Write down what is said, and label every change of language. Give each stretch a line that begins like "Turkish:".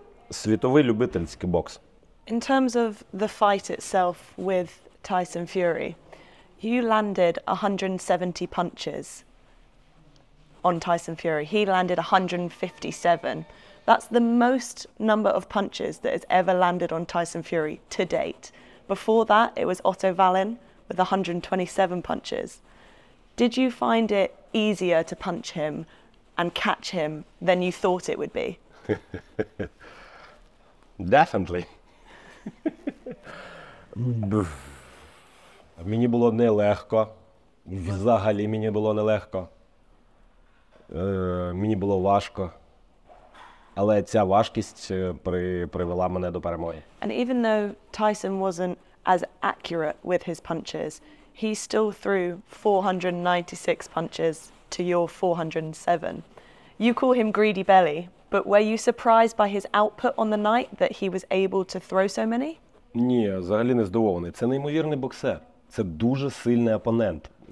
Ukrainian: Світовий любительський бокс.
English: In terms of the fight itself with Tyson Fury, you landed 170 punches on Tyson Fury. He landed 157. That's the most number of punches that has ever landed on Tyson Fury to date. Before that, it was Otto Wallin with 127 punches. Did you find it easier to punch him and catch him than you thought it would be? Definitely.
Ukrainian: Мені було нелегко. Взагалі мені було нелегко. Мені було важко. Але ця важкість привела мене до перемоги.
English: And even though Tyson wasn't as accurate with his punches, he still threw 496 punches to your 407. You call him greedy belly, but were you surprised by his output on the night that he was able to throw so many?
Ukrainian: Ні, взагалі не здивований. Це неймовірний боксер. Це дуже сильний опонент.